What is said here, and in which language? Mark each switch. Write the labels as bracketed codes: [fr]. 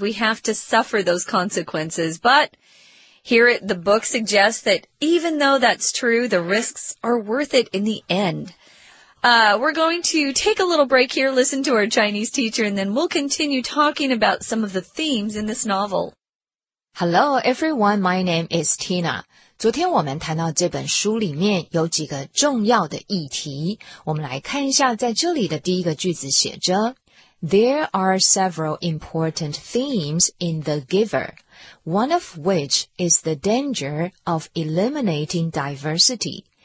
[en] We have to suffer those consequences. But here the book suggests that even though that's true, the risks are worth it in the end. We're going to take a little break here, listen to our Chinese teacher, and then we'll continue talking about some of the themes in this novel. Hello, everyone. My name is Tina. [zh] 昨天我们谈到这本书里面有几个重要的议题。我们来看一下在这里的第一个句子写着 [en] There are several important themes in The Giver, one of which is the danger of eliminating diversity.